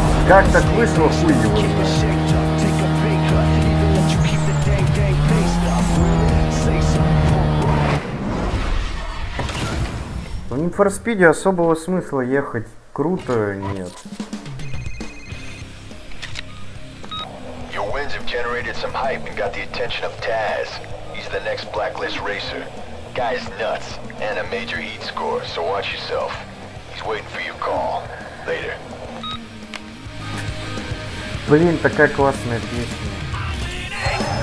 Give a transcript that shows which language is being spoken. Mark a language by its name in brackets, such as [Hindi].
[Russian] Как так вышло, хуй его знает. В Need for Speed особого смысла ехать круто нет. [English] Your winds have generated some hype and got the attention of Taz. He's the next blacklist racer. Guy's nuts and a major heat score, so watch yourself. He's waiting for your call. Later. [Russian] Блин, такая классная песня.